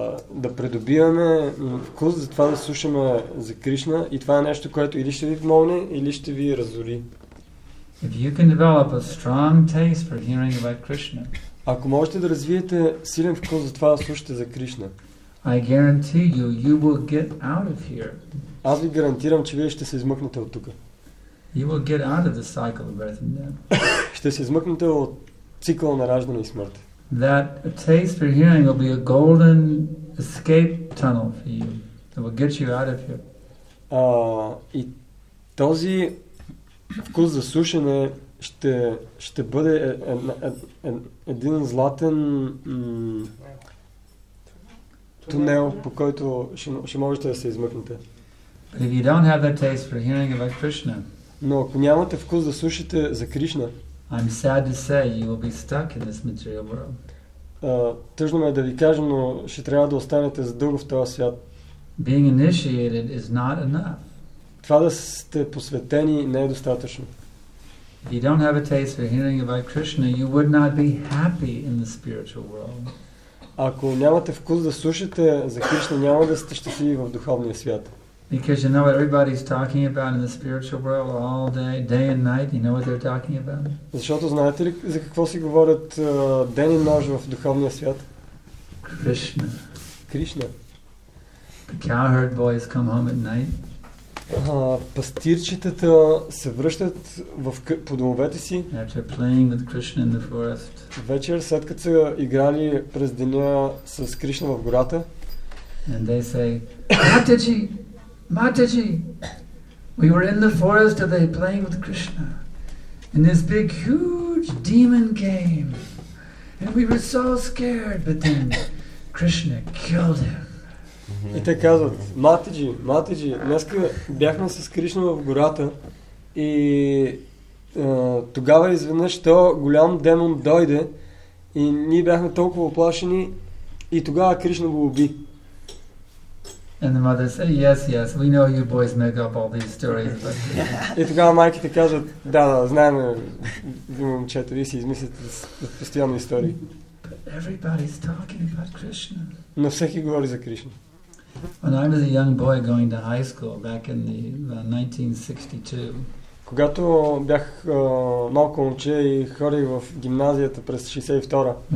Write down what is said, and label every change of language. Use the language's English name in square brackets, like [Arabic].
[Bulgarian] Да придобиваме вкус за това да слушаме за Кришна и това е нещо, което или ще ви помогне, или ще ви разори. [English] If you can develop a strong taste for hearing about Krishna. [Bulgarian] Ако можете да развиете силен вкус за това да слушате за Кришна. [English] I guarantee you, you will get out of here. [Bulgarian] Аз ви гарантирам, че вие ще се измъкнете от тук. [English] You will get out of the cycle of birth and death. [Bulgarian] Ще се измъкнете от цикъла на раждане и смърт. [English] That a taste for hearing will be a golden escape tunnel for you. It will get you out of here. [Bulgarian] И този вкус за слушане ще бъде един златен тунел, по който ще можете да се измъкнете. [English] But if you don't have that taste for hearing about Krishna, [Bulgarian] но ако нямате вкус да слушате за Кришна, [English] I'm sad to say you will be stuck in this material world. [Bulgarian] Тъжно ме да ви кажа, но ще трябва да останете задълго в този свят. [English] Being initiated is not enough. [Bulgarian] Това да сте посветени не е достатъчно. [English] If you don't have a taste for hearing about Krishna, you would not be happy in the spiritual world. [Bulgarian] Ако нямате вкус да слушате за Кришна, няма да сте щастливи в духовния свят. [English] Because you know what everybody's talking about in the spiritual world all day, day and night. You know what they're talking about? [Bulgarian] Защото знаете ли за какво си говорят ден и нощ в духовния свят? [English] Krishna. Krishna. The cowherd boys come home at night. [Bulgarian] Пастирчетата се връщат в по домовете си. [English] After playing with Krishna in the forest. [Bulgarian] Вечер, след като са играли през деня с Кришна в гората. [English] And they say, Mataji, Mataji, we were in the forest today playing with Krishna. And this big huge demon came. And we were so scared, but then Krishna killed him. [Bulgarian] И те казват, Матиджи, Матиджи, днеска бяхме с Кришна в гората и тогава изведнъж то голям демон дойде и ние бяхме толкова оплашени и тогава Кришна го уби. [English] And the mother said, yes, yes, we know you boys make up all these stories. But... [Bulgarian] И тогава майките казват, да, да, знаем, момчета, вие си измислите постоянно истории. [English] But everybody's talking about Krishna. [Bulgarian] Но всеки говори за Кришна. [English] When I was a young boy going to high school back in the 1962. [Bulgarian] Когато бях малко момче и ходих в гимназията през 62-а.